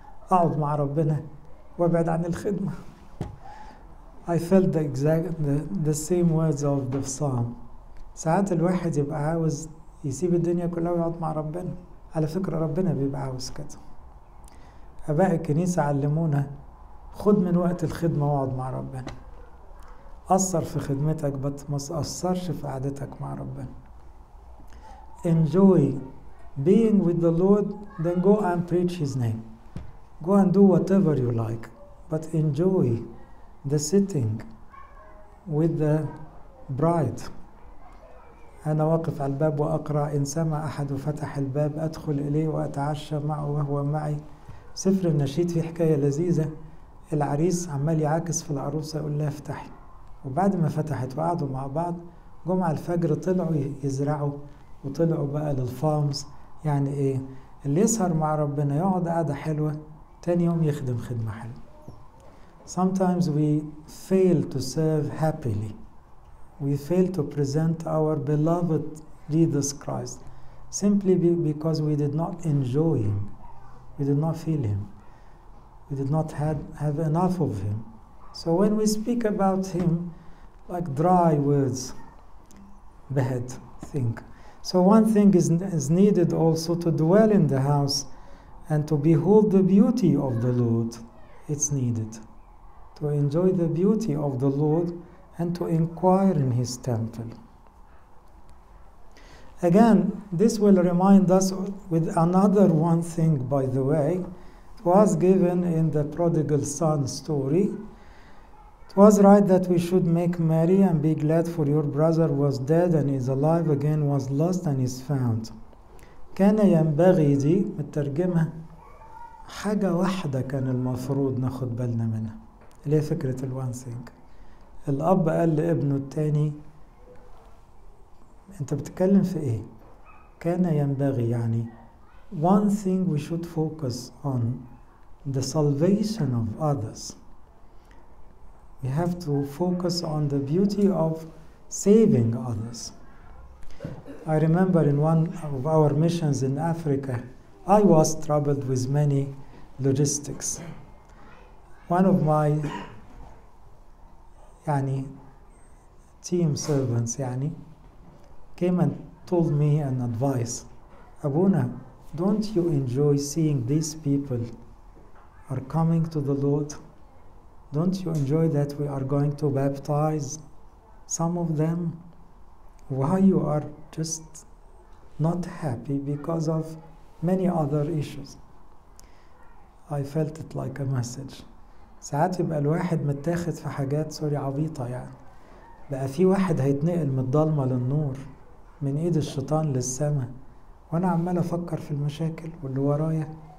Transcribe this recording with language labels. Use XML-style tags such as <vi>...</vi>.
<ar>أقعد مع ربنا وأبعد عن الخدمة.</ar> <en>I felt the same words of the psalm.</en> <ar>ساعات الواحد يبقى عاوز يسيب الدنيا كلها ويقعد مع ربنا. على فكرة ربنا بيبقى عاوز كده. آباء الكنيسة علمونا خد من وقت الخدمة واقعد مع ربنا. أثر في خدمتك بس ما تأثرش في قعدتك مع ربنا.</ar> <en>Enjoy being with the Lord, then go and preach His name. Go and do whatever you like, but enjoy the sitting with the bride.</en> <ar>أنا واقف على الباب وأقرأ إن سمع أحد وفتح الباب أدخل إليه وأتعشى معه وهو معي. سفر النشيد في حكاية لذيذة. العريس عمال يعاكس في العروسة يقول لها افتحي. وبعد ما فتحت وقعدوا مع بعض جمع الفجر طلعوا يزرعوا وطلعوا بقى للفارمز. يعني ايه؟ اللي يسهر مع ربنا يقعد قعدة حلوة تاني يوم يخدم خدمة حلوة.</ar> <en>sometimes we fail to serve happily. We fail to present our beloved Jesus Christ simply because we did not enjoy Him. We did not feel Him. We did not have enough of Him. So when we speak about Him, like dry words, bad thing. So one thing is needed also to dwell in the house and to behold the beauty of the Lord. It's needed to enjoy the beauty of the Lord and to inquire in His temple. Again, this will remind us with another one thing, by the way. It was given in the prodigal son story. It was right that we should make merry and be glad, for your brother was dead and is alive again, was lost and is found.</en> <ar>كان ينبغي دي مترجمة حاجة واحدة كان المفروض ناخد بالنا منها. ليه فكرة الوان سينك؟ الأب قال لابنه الثاني أنت بتكلم في إيه؟ كان ينبغي يعني</ar> <en>one thing we should focus on, the salvation of others. We have to focus on the beauty of saving others. I remember in one of our missions in Africa, I was troubled with many logistics. One of my يعني team servants يعني came and told me an advice. Abuna, don't you enjoy seeing these people are coming to the Lord? Don't you enjoy that we are going to baptize some of them? Why you are just not happy because of many other issues? I felt it like a message.</en> <ar>ساعات يبقى الواحد متاخد في حاجات سوري عبيطة يعني. بقى في واحد هيتنقل من الضلمة للنور. من ايد الشيطان للسماء وانا عمال افكر في المشاكل واللي ورايا.</ar>